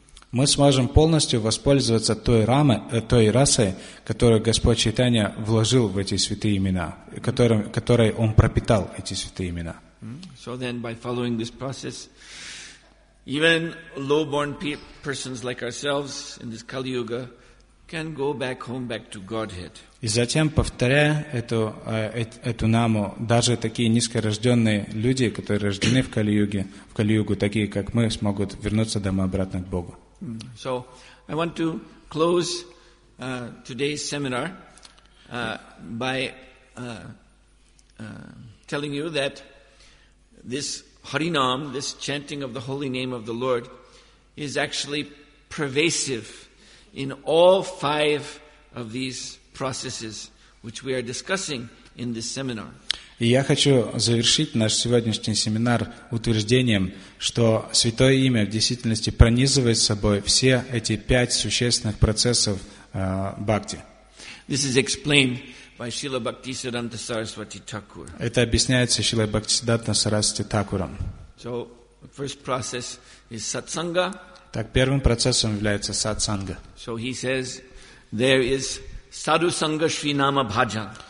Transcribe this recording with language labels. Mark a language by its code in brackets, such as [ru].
[ru] мы сможем полностью воспользоваться той, той расой, которую Господь Чайтанья вложил в эти святые имена, которой Он пропитал эти святые имена. [en] So then, by following this process, even low-born persons like ourselves in this Kali Yuga can go back home, back to Godhead. [ru] И затем, повторяя эту наму, даже такие низкорожденные люди, которые рождены в Кали Юге, в Кали Югу, такие как мы, смогут вернуться домой обратно к Богу. [en] So, I want to close today's seminar by telling you that this Harinam, this chanting of the holy name of the Lord, is actually pervasive in all five of these processes which we are discussing in this seminar. [ru] И я хочу завершить наш сегодняшний семинар утверждением, что Святое Имя в действительности пронизывает собой все эти пять существенных процессов бхакти. [en] This is explained by Srila Bhaktisiddhanta Saraswati Thakur. [ru] Это объясняется Шрилой Бхактисиддханта Сарасвати Такуром. [en] So, first process is satsanga. [ru] Так первым процессом является сатсанга. [en] So he says, there is sadhu sangha shrinama bhajan.